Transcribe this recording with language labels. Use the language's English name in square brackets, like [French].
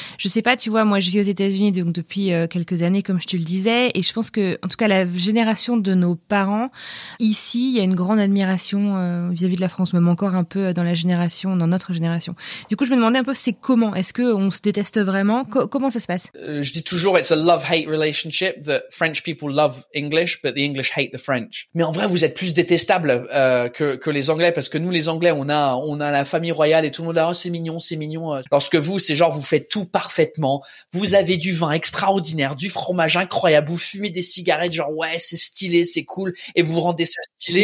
[French] Je sais pas, tu vois, moi je vis aux États-Unis donc depuis quelques années, comme je te le disais, et je pense que en tout cas la génération de nos parents, ici, il y a une grande admiration vis-à-vis de la France, même encore un peu dans la génération, dans notre génération. Du coup, je me demandais un peu, c'est comment? Est-ce qu'on se déteste vraiment? Comment ça se passe? Je dis toujours, [English] it's a love-hate relationship, that French people love English, but the English hate the French. [French] Mais en vrai, vous êtes plus détestables que les Anglais, parce que nous, les Anglais, on a la famille royale et tout le monde, oh, c'est mignon. Lorsque vous, c'est genre, vous faites tout parfaitement, vous avez du vin extraordinaire, du fromage incroyable, vous fumez des cigares, genre ouais c'est stylé, c'est cool, et vous vous rendez ça stylé.